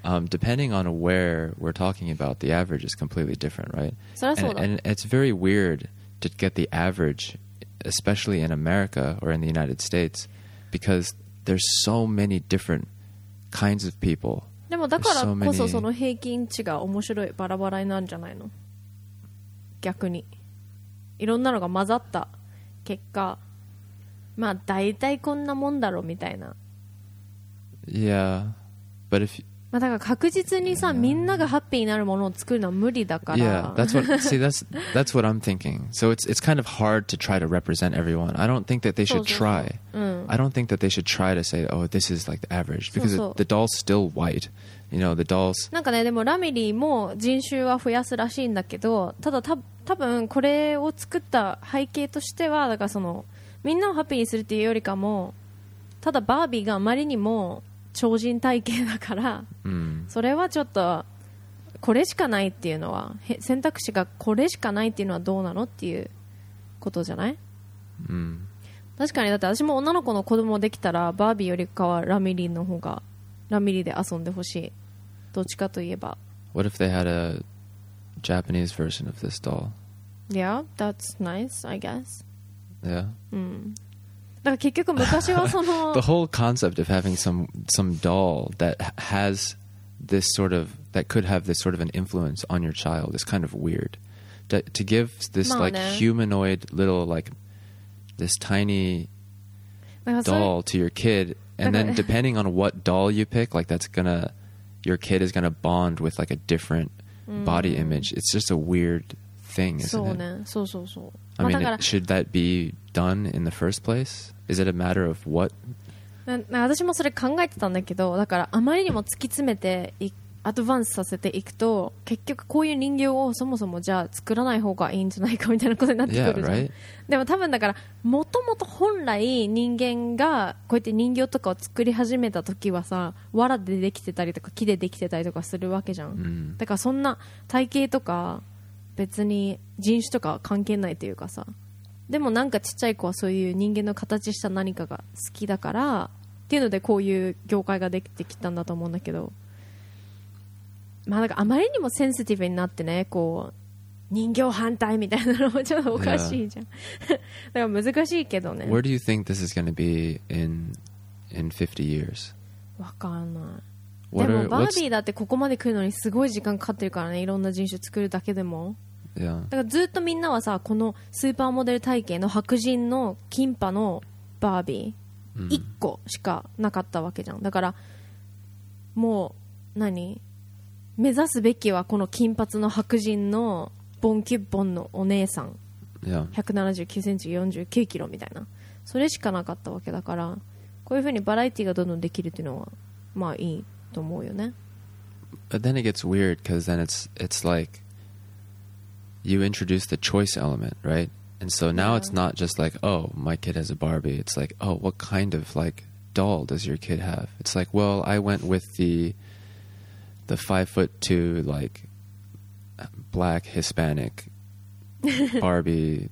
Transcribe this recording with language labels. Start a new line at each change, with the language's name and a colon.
English: depending on where we're talking about, the average is completely different, right?
Japanese: そりゃそうだ。
English: and it's very weird to get the average, especially in America or in the United States, because there's so many different kinds of people.
Japanese: でもだからこそその平均値が面白いバラバラになるんじゃないの、逆にいろんなのが混ざった結果まあ大体こんなもんだろうみたいな。
English: Yeah, but if
Japanese: まあだから確実にさ、
English: yeah.
Japanese: みんながハッピーになるものを作るのは無理だから。
English: Yeah, that's what I'm thinking. So it's kind of hard to try to represent everyone. I don't think that they should try.
Japanese: そうそうそう、うん、
English: I don't think that they should try to say, oh, this is like the average. Because
Japanese: そうそう
English: the doll's still white. You know, the doll's...
Japanese: なんかね、でもラミリーも人種は増やすらしいんだけど、ただ多分これを作った背景としては、だからそのみんなをハッピーにするっていうよりかも、ただバービーがあまりにも超人体型だから、うん、それはちょっとこれしかないっていうのは、選択肢がこれしかないっていうのはどうなのっていうことじゃない、うん、確かに。だって私も女の子の子供できたらバービーよりかはラミリンの方が、ラミリンで遊んでほしい、どっちかといえば。
English: What if they had a Japanese version of this doll? Yeah, that's nice, I guess. Yeah.
Japanese: うん、だから結局昔はその
English: the whole concept of having some doll that has this sort of, that could have this sort of an influence on your child is kind of weird. To give this、
Japanese: まあね、
English: like humanoid little like this tiny doll to your kid, and then depending on what doll you pick, like that's gonna, your kid is gonna bond with like a different body image. It's just a weird thing, isn't
Japanese: そう、ね、
English: it?
Japanese: そうそうそう。
English: I mean, should that be done in the first place? Is it a matter of what?
Japanese: 私もそれ考えてたんだけど、だからあまりにも突き詰めてアドバンスさせていくと、結局こういう人形をそもそもじゃあ作らない方がいいんじゃないかみたいなことになってくるじゃん。
English: Yeah, right?
Japanese: でも多分だから、もともと本来人間がこうやって人形とかを作り始めた時はさ、藁でできてたりとか木でできてたりとかするわけじゃん、 mm. だからそんな体型とか別に人種とか関係ないというかさ、でもなんかちっちゃい子はそういう人間の形した何かが好きだからっていうので、こういう業界ができてきたんだと思うんだけど、まあ、なんかあまりにもセンシティブになってね、こう人形反対みたいなのもちょっとおかしいじゃん、
English: yeah.
Japanese: だから難しいけどね。
English: Where do you think this is going to be in 50 years?
Japanese: わかんない。でもバービーだってここまで来るのにすごい時間かかってるからね、いろんな人種作るだけでも、
English: yeah.
Japanese: だからずっとみんなはさ、このスーパーモデル体型の白人のキンパのバービー1個しかなかったわけじゃん、だからもう何目指すべきは、この金髪の白人のボンキュッボンのお姉さん、179cm49kg みたいな、それしかなかったわけだから、こういうふうにバラエティがどんどんできるっていうのはまあいいと思うよね。
English: But then it gets weird, because then it's like you introduce the choice element, right? And so now it's not just like, oh, my kid has a Barbie. It's like, oh, what kind of like doll does your kid have? It's like, well, I went with the 5'2" like black Hispanic Barbie